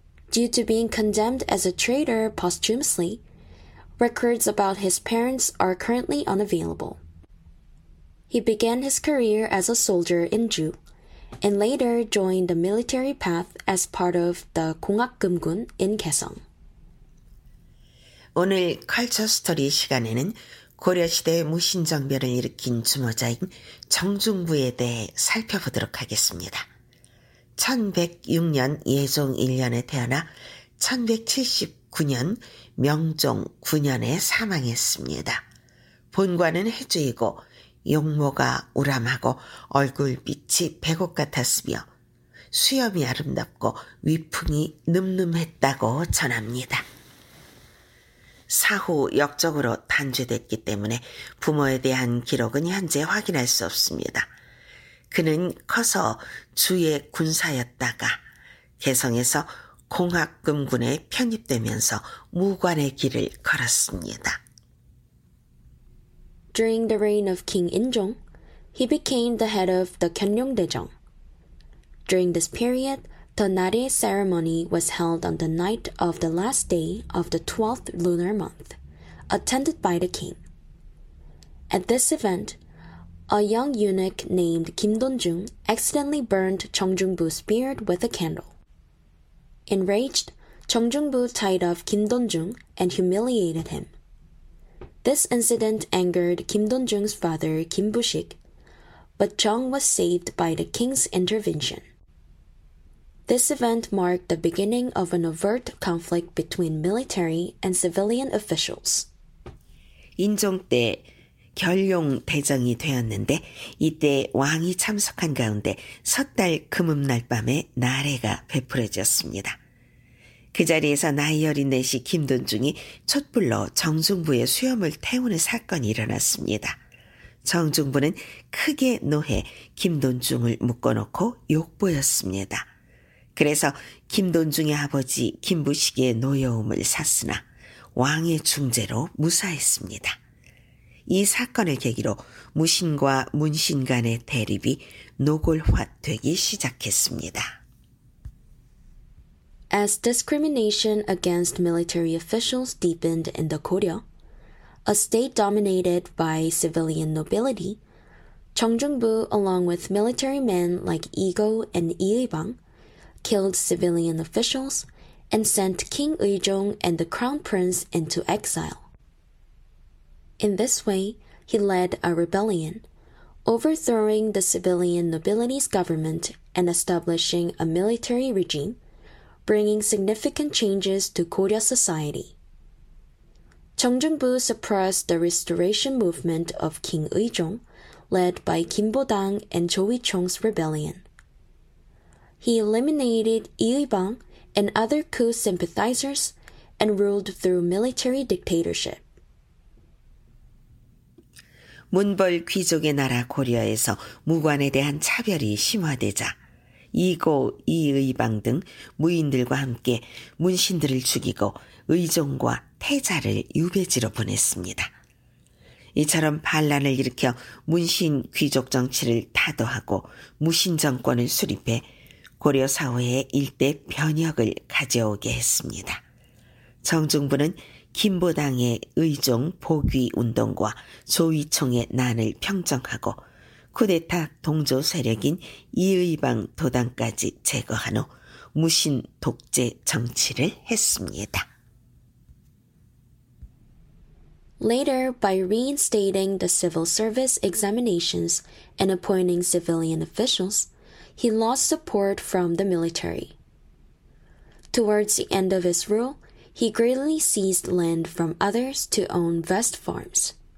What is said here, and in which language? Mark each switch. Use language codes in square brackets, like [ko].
[en] Due to being condemned as a traitor posthumously, records about his parents are currently unavailable. He began his career as a soldier in Ju, and later joined the military path as part of the Gongakgeumgun in Gaesong. [ko] 오늘 컬처 스토리 시간에는 고려시대 무신정변을 일으킨 주모자인 정중부에 대해 살펴보도록 하겠습니다. 1106년 예종 1년에 태어나 1179년 명종 9년에 사망했습니다. 본관은 해주이고 용모가 우람하고 얼굴빛이 백옥 같았으며 수염이 아름답고 위풍이 늠름했다고 전합니다. 사후 역적으로 단죄됐기 때문에 부모에 대한 기록은 현재 확인할 수 없습니다. 그는 커서 주의 군사였다가 개성에서 공학금군에 편입되면서 무관의 길을 걸었습니다. [en] During the reign of King Injong, he became the head of the Gyeongryongdaejeong. During this period, the Nare ceremony was held on the night of the last day of the 12th lunar month, attended by the king. At this event, a young eunuch named Kim Donjung accidentally burned Cheong Jung-bu's beard with a candle. Enraged, Cheong Jung-bu tied off Kim Donjung and humiliated him. This incident angered Kim Donjung's father, Kim Bushik, but Cheong was saved by the king's intervention. This event marked the beginning of an overt conflict between military and civilian officials. [ko] 인종 때 결룡대정이 되었는데 이때 왕이 참석한 가운데 섣달 금음날 밤에 나래가 베풀어졌습니다. 그 자리에서 나이 어린 내시 김돈중이 촛불로 정중부의 수염을 태우는 사건이 일어났습니다. 정중부는 크게 노해 김돈중을 묶어놓고 욕보였습니다. 그래서 김돈중의 아버지 김부식의 노여움을 샀으나 왕의 중재로 무사했습니다. 이 사건을 계기로 무신과 문신 간의 대립이 노골화되기 시작했습니다. [en] As discrimination against military officials deepened in the Goryeo, a state dominated by civilian nobility, Cheong Jung-bu, along with military men like Igo and Iibang, killed civilian officials and sent King Uijong and the crown prince into exile. In this way, he led a rebellion, overthrowing the civilian nobility's government and establishing a military regime, bringing significant changes to Goryeo society. Cheong Jung-bu suppressed the restoration movement of King Uijong, led by Kim Bo-dang and Cho Wi-chung's rebellion. He eliminated Iibang and other coup sympathizers and ruled through military dictatorship. [ko] 문벌 귀족의 나라 고려에서 무관에 대한 차별이 심화되자 이고, 이의방 등 무인들과 함께 문신들을 죽이고 의종과 태자를 유배지로 보냈습니다. 이처럼 반란을 일으켜 문신 귀족 정치를 타도하고 무신 정권을 수립해 고려 사회에 일대 변혁을 가져오게 했습니다. 정중부는 김보당의 의종 복위 운동과 조위총의 난을 평정하고 쿠데타 동조 세력인 이의방 도당까지 제거한 후 무신 독재 정치를 했습니다. [en] Later, by reinstating the civil service examinations and appointing civilian officials, he lost support from the military. Towards the end of his rule, he greedily seized land from others to own vast farms.